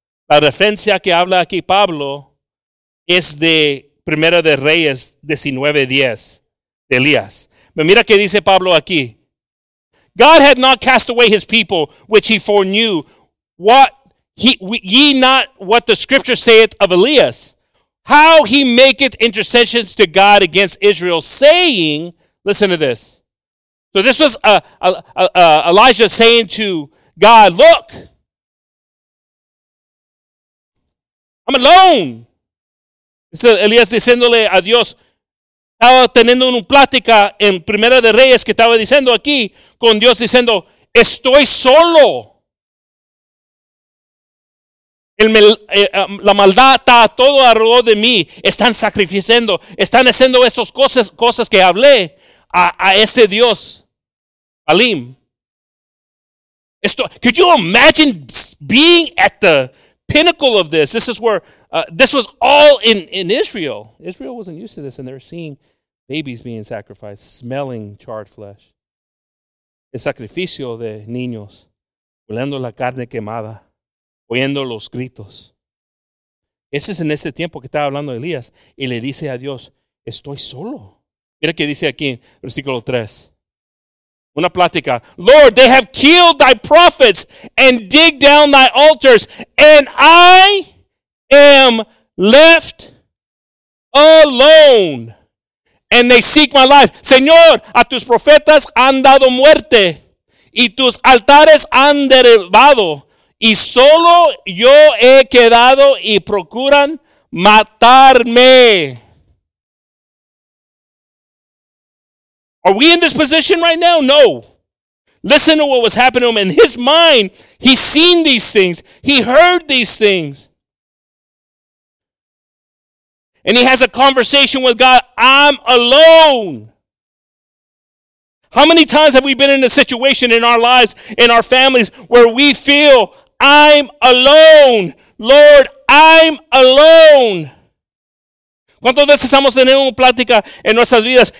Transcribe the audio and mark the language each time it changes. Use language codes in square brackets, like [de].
[es] La referencia que habla aquí Pablo es de Primera de Reyes 19:10, de Elías. Pero mira qué dice Pablo aquí. [en] God had not cast away his people, which he foreknew. What the scripture saith of Elias, how he maketh intercessions to God against Israel, saying, listen to this. So this was Elijah saying to God, look, I'm alone. [es] So Elias diciéndole a Dios, estaba teniendo una plática en Primera de Reyes que estaba diciendo aquí con Dios diciendo, estoy solo. La maldad está todo alrededor de mí. Están sacrificando, están haciendo esas cosas que hablé a este Dios, Alim. [en] Could you imagine being at the pinnacle of this? This is where, this was all in Israel. Israel wasn't used to this and they're seeing babies being sacrificed, smelling charred flesh. [es] El sacrificio de niños, oliendo la carne quemada, oyendo los gritos. Ese es en este tiempo que estaba hablando Elías y le dice a Dios, estoy solo. Mira que dice aquí, versículo 3. Una plática. [en] Lord, they have killed thy prophets and dig down thy altars, and I am left alone. And they seek my life. [es] Señor, a tus profetas han dado muerte. Y tus altares han derribado. Y solo yo he quedado y procuran matarme. [en] Are we in this position right now? No. Listen to what was happening to him. In his mind, he's seen these things. He heard these things. And he has a conversation with God. I'm alone. How many times have we been in a situation in our lives, in our families, where we feel, I'm alone. Lord, I'm alone. [es] ¿Cuántas veces hemos tenido una plática en nuestras vidas?